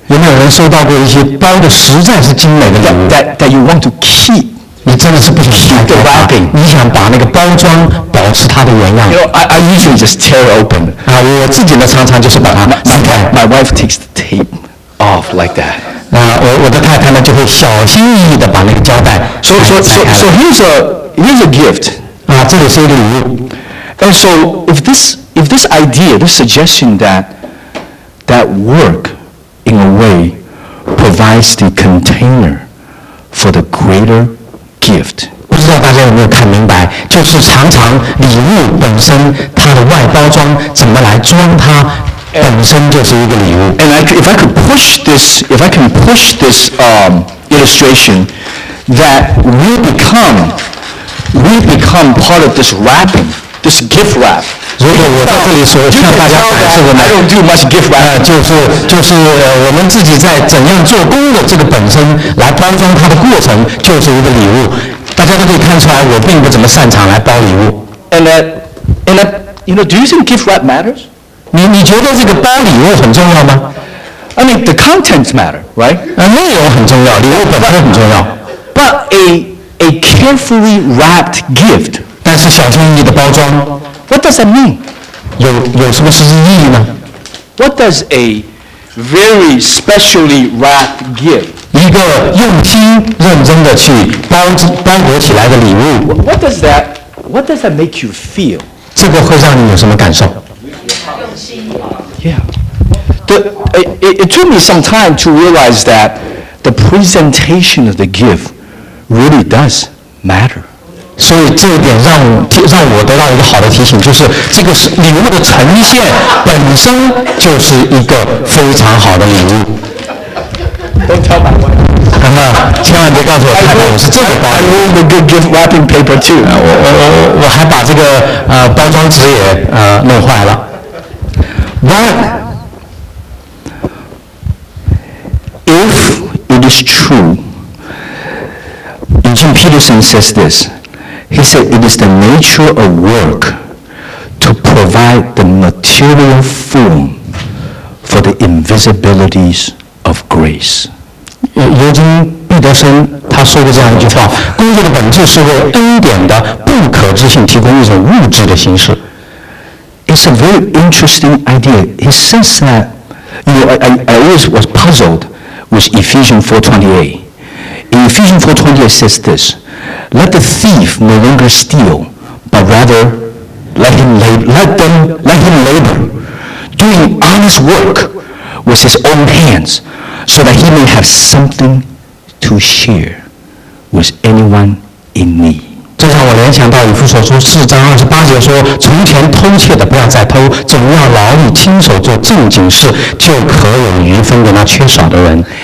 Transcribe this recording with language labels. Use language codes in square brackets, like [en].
[zh] 有没有人收到过一些包的实在是精美的礼物 [en] that you want to keep? [zh] 你真的是不想打开，你想把那个包装保持它的原样。 [en] I usually just tear open. [zh] 啊，我自己呢，常常就是把它撕开。 [en] My wife takes the tape off like that. [zh] 那我的太太呢，就会小心翼翼的把那个胶带拆开。 [en] So here's a gift. [zh] 啊，这里是一个礼物。 [en] And so if this idea, this suggestion that work in a way provides the container for the greater gift. [zh] 不知道大家有没有看明白，就是常常礼物本身它的外包装怎么来装它，本身就是一个礼物。 [en] And if I can push this illustration, that we become part of this wrapping, this gift wrap. [zh] 如果我到这里说向大家展示的呢 [en] I don't do much gift wrap. [zh] 就是我们自己在怎样做工的这个本身来包装它的过程就是一个礼物大家都可以看出来我并不怎么擅长来包礼物 [en] And that, you know, do you think gift wrap matters? [zh] 你觉得这个包礼物很重要吗 [en] I mean the contents matter, right? [zh] 内容很重要礼物本身很重要 [en] But a carefully wrapped gift [zh] 但是小心翼翼的包装 [en] What does that mean? [zh] 有什么实际意义呢 [en] What does a very specially wrapped gift? [zh] 一个用心认真的去包裹起来的礼物 [en] What does that make you feel? [zh] 这个会让你有什么感受？用心。 [en] Yeah. It took me some time to realize that the presentation of the gift really does matter. [zh] 所以这一点让我得到一个好的提醒，就是这个礼物的呈现本身就是一个非常好的礼物。 [en] Don't tell my wife. [zh] 那千万别告诉我太太，我是这个包。 [en] I ruined the good gift wrapping paper too. [zh] 我还把这个包装纸也弄坏了。 [en] But if it is true, Eugene Peterson says this. He said it is the nature of work to provide the material form for the invisibilities of grace. [zh] Eugene Peterson, 他说过这样一句话，工作的本质是为恩典的不可知性提供一种物质的形式。 [en] It's a very interesting idea. He says that, you know, I always was puzzled with Ephesians 4:28. In Ephesians 4:28 says this,Let the thief no longer steal, but rather let him labor, doing honest work with his own hands so that he may have something to share with anyone in need. [zh] 这让我联想到以弗所书四章二十八节说，从前偷窃的不要再偷，总要劳力亲手做正经事，就可有余分给那缺少的人。